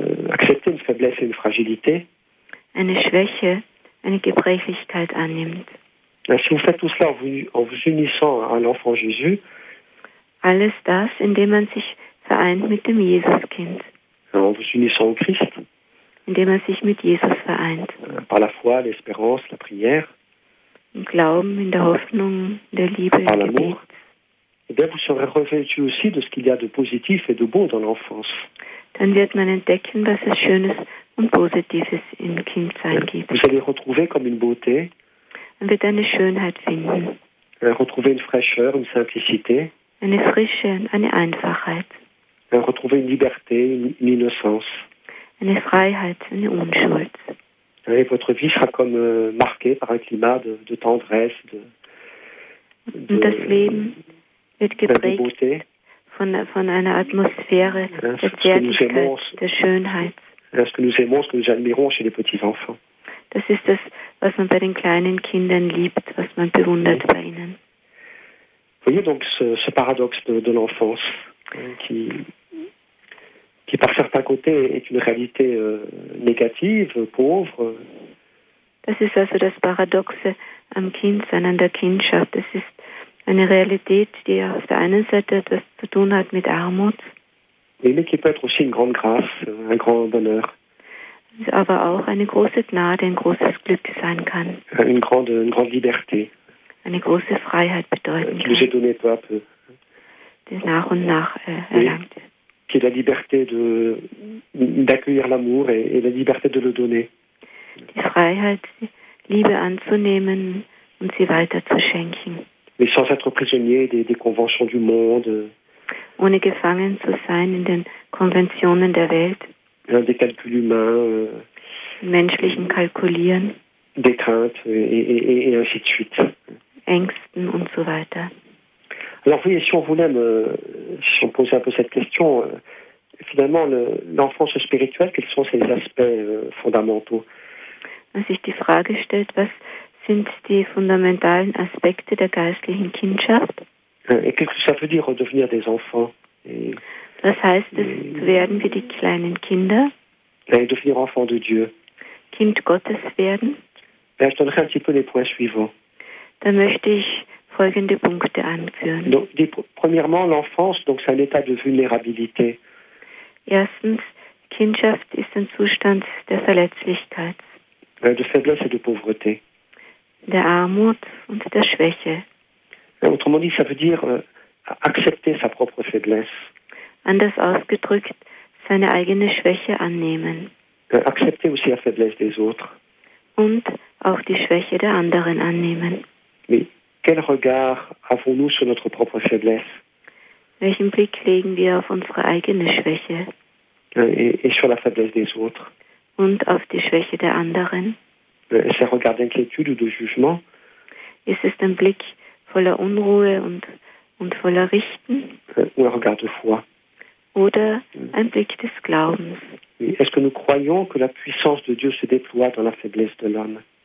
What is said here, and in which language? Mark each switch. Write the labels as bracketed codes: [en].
[fr] accepter une faiblesse et une fragilité. [de] Eine Schwäche, eine Gebrechlichkeit annimmt. [fr] Si vous faites tout cela en vous unissant à l'enfant Jésus, [de] alles das, indem man sich vereint mit dem Jesuskind. [fr] En vous unissant au Christ. [de] Indem man sich mit Jesus vereint. [fr] Par la foi, l'espérance, la prière. [de] Im Glauben, in der Hoffnung, der Liebe, [fr] par l'amour. Eh bien, vous serez revêtu aussi de ce qu'il y a de positif et de bon dans l'enfance. [de] Dann wird man entdecken, was es Schönes und Positives im Kindsein gibt. [fr] Vous allez retrouver comme une beauté. [de] Man wird eine Schönheit finden. [fr] Retrouver une fraîcheur, une simplicité. [de] Eine Frische, eine Einfachheit. [fr] Retrouver une liberté, une innocence. [de] Eine Freiheit, eine Unschuld. [fr] Et votre vie sera comme marquée par un climat de tendresse, de [de] und das Leben wird geprägt von einer Atmosphäre der Zärtlichkeit, der Schönheit. [fr] Ce que nous aimons, ce que nous admirons chez les petits-enfants. [de] Das ist das, was man bei den kleinen Kindern liebt, was man bewundert bei ihnen. [fr] Vous voyez donc ce paradoxe de l'enfance qui par certains côtés est une réalité négative, pauvre. [de] Das ist also das Paradoxe am Kindsein, an der Kindschaft. Es ist eine Realität, die auf der einen Seite etwas zu tun hat mit Armut. [fr] Mais qui peut être aussi une grande grâce, un grand bonheur. [de] Aber auch eine große Gnade, ein großes Glück sein kann. [fr] Une grande liberté. [de] Eine große Freiheit bedeuten kann. [fr] J'ai donné peu à peu. [de] Die nach und nach erlangt. [fr] Qui est la liberté d'accueillir l'amour et la liberté de le donner. [de] Die Freiheit, Liebe anzunehmen und sie weiter zu schenken. [fr] Mais sans être prisonnier des conventions du monde. [de] Ohne gefangen zu sein in den Konventionen der Welt. [fr] Des calculs humains. [de] Menschlichen Kalkulieren. [fr] Des craintes et ainsi de suite. [de] Ängsten und so weiter. [fr] Alors oui, si on voulait, si on posait un peu cette question, finalement, l'enfance spirituelle, quels sont ses aspects fondamentaux? [de] Wenn sich die Frage stellt, was sind die fundamentalen Aspekte der geistlichen Kindschaft? [fr] Et qu'est-ce que ça veut dire, devenir des enfants? [de] Was heißt es, werden wir die kleinen Kinder? [fr] Et devenir enfant de Dieu. [de] Kind Gottes werden? [fr] Ben, je donnerai un petit peu les points suivants. [de] Da möchte ich folgende Punkte anführen. [fr] Donc, premièrement, l'enfance, donc c'est un état de vulnérabilité. [de] Erstens, Kindschaft ist ein Zustand der Verletzlichkeit. [fr] De faiblesse et de pauvreté. [de] Der Armut und der Schwäche. [fr] Autrement dit, ça veut dire accepter sa propre faiblesse. [de] Anders ausgedrückt, seine eigene Schwäche annehmen. [fr] Accepter aussi la faiblesse des autres. [de] Und auch die Schwäche der anderen annehmen. [fr] Mais quel regard avons-nous sur notre propre faiblesse? [de] Welchen Blick legen wir auf unsere eigene Schwäche? [fr] Et sur la faiblesse des autres? [de] Und auf die Schwäche der anderen? Ist ein [fr] Regard d'inquiétude ou de jugement? [de] Ist es ein Blick voller Unruhe und voller Richten? [fr] Ou un regard de foi? [de] Oder ein Blick des Glaubens? [fr] Est-ce que nous croyons que la puissance de Dieu se déploie dans la faiblesse de l'homme?